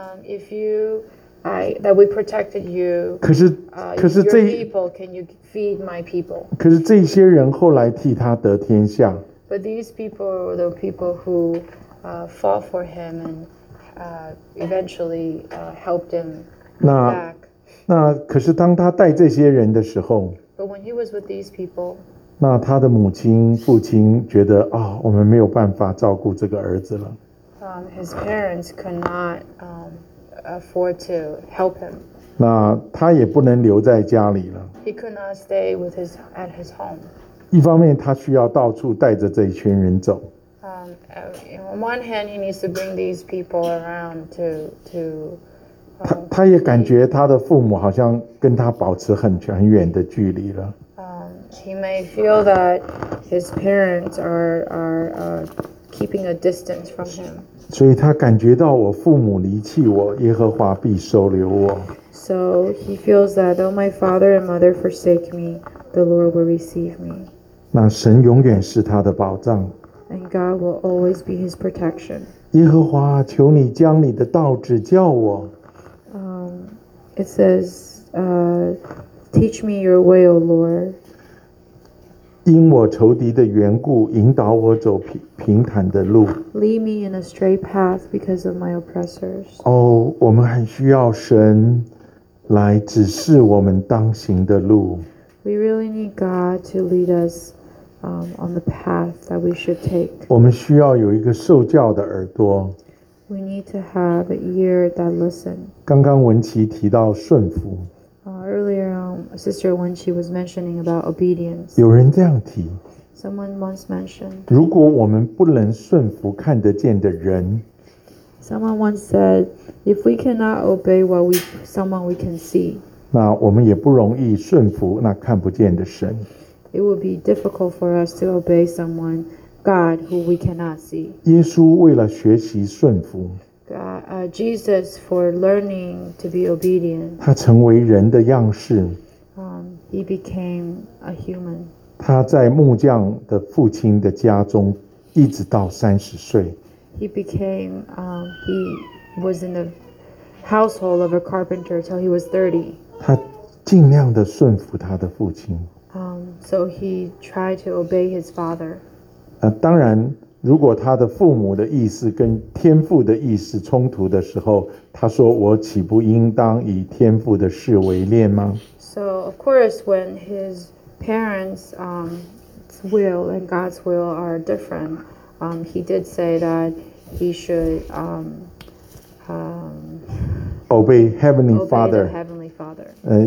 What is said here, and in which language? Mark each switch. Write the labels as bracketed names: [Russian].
[English] if you that we protected you. [Chinese] 可是这 [English] your people, can you feed my people? [Chinese] 可是这些人后来替他得天下。 [English] But these people were the people who fought for him and eventually helped him back. [Chinese] 那可是当他带这些人的时候 [English] But when he was with these people, [Chinese] 那他的母亲、父亲觉得啊、哦，我们没有办法照顾这个儿子了。 [English] His parents could not afford to help him. [Chinese] 那他也不能留在家里了。 [English] He could not stay with his at his home. [Chinese] 一方面，他需要到处带着这一群人走。 [English] On one hand, he needs to bring these people around to. [Chinese] 他也感觉他的父母好像跟他保持很远的距离了。 [English] He may feel that his parents are keeping a distance from him. [Chinese] 所以他感觉到我父母离弃我，耶和华必收留我。 [English] So he feels that though my father and mother forsake me, the Lord will receive me. [Chinese] 那神永远是他的保障。 [English] And God will always be his protection. [Chinese] 耶和华，求你将你的道指教我。 [English] It says, teach me your way, O Lord. [Chinese] 因我仇敌的缘故，引导我走平坦的路。 [English] Lead me in a straight path because of my oppressors. [Chinese] 哦，我们很需要神来指示我们当行的路。 [English] We really need God to lead us, on the path that we should take. [Chinese] 我们需要有一个受教的耳朵。 [English] We need to have an ear that listen. [Chinese] 刚刚文琪提到顺服。 [English] Earlier, Sister Wenqi was mentioning about obedience. [Chinese] 有人这样提。 [English] Someone once mentioned. [Chinese] 如果我们不能顺服看得见的人。 [English] Someone once said, if we cannot obey what we, someone we can see, [Chinese] 那我们也不容易顺服那看不见的神。 [English] It would be difficult for us to obey someone, God, who we cannot see. [Chinese] 耶稣为了学习顺服。 [English] Jesus, for learning to be obedient, [Chinese] 他成为人的样式。 [English] He became a human. [Chinese] 他在木匠的父亲的家中一直到30岁。 [English] He became, he was in the household of a carpenter till he was 30. [Chinese] 他尽量的顺服他的父亲。 [English] So he tried to obey his father. [Chinese] 当然，如果他的父母的意思跟天父的意思冲突的时候，他说：“我岂不应当以天父的事为念吗？” [English] So of course, when his parents', will and God's will are different. He did say that he should obey Heavenly Father. Obey the Heavenly Father.